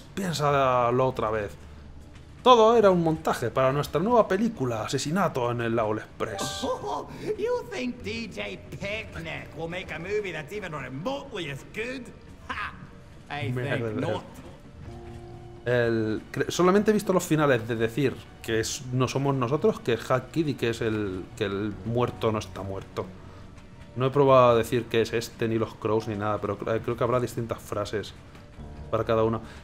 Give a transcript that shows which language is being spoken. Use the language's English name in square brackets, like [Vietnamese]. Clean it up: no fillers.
[Spanish] Piénsalo otra vez. Todo era un montaje para nuestra nueva película, Asesinato en el Owl Express. [English] Oh, you think DJ Picnic will make a movie that's even remotely as good? Ha, I think not. [Spanish] Solamente he visto los finales de decir que es, no somos nosotros, que es Hat Kid y que es el que el muerto no está muerto. No he probado a decir que es este, ni los Crows, ni nada, pero creo que habrá distintas frases para cada uno.